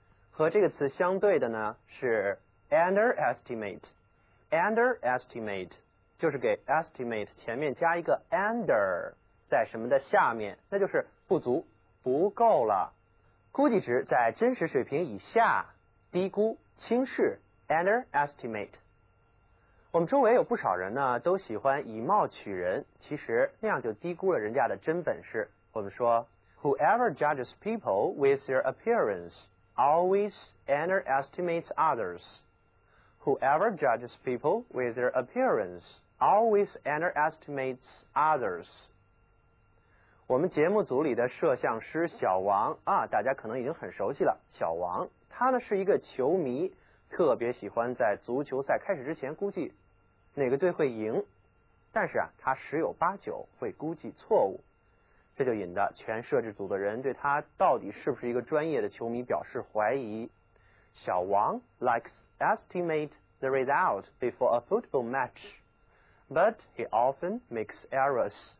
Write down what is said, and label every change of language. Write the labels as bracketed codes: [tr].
[zh] 和这个词相对的呢是 underestimate， underestimate 就是给 estimate 前面加一个 under， 在什么的下面，那就是不足，不够了，估计值在真实水平以下，低估，轻视， underestimate。我们周围有不少人呢，都喜欢以貌取人，其实那样就低估了人家的真本事。我们说 [en] Whoever judges people with their appearance always underestimates others. Whoever judges people with their appearance always underestimates others. [zh] 我们节目组里的摄像师小王啊，大家可能已经很熟悉了。小王他呢是一个球迷，特别喜欢在足球赛开始之前估计哪个队会赢，但是啊，他十有八九会估计错误，这就引得全摄制组的人对他到底是不是一个专业的球迷表示怀疑。 [en] 小王 likes estimate the result before a football match, but he often makes errors.